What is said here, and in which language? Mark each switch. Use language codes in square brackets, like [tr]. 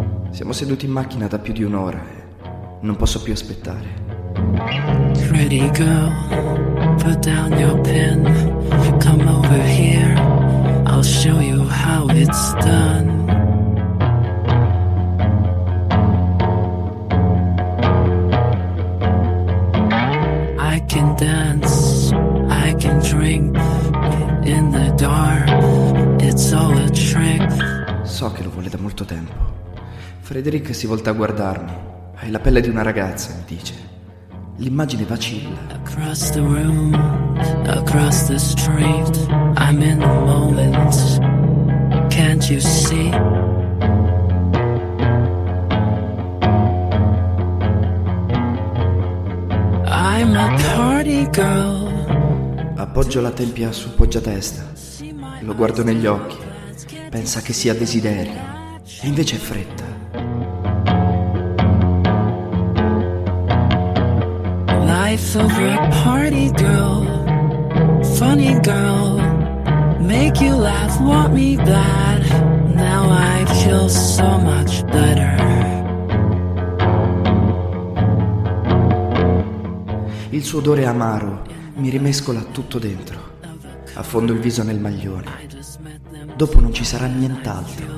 [it] Siamo seduti in macchina da più di un'ora e non posso più aspettare. [en] Pretty girl, put down your pen. Come over here, I'll show you how it's done. I can dance, I can drink in the dark. It's all a trick. [it] So che lo vuole da molto tempo. Frederick si volta a guardarmi. Hai la pelle di una ragazza, mi dice. L'immagine vacilla. [en] Across the room, across the street, I'm in the moment. Can't you see? I'm a party girl. [it] Appoggio la tempia su poggiatesta. Lo guardo negli occhi. Pensa che sia desiderio. E invece è fretta. [en] Life of a party girl, funny girl, make you laugh, want me bad. Now I feel so much better. [it] Il suo odore amaro mi rimescola tutto dentro. Affondo il viso nel maglione. Dopo non ci sarà nient'altro.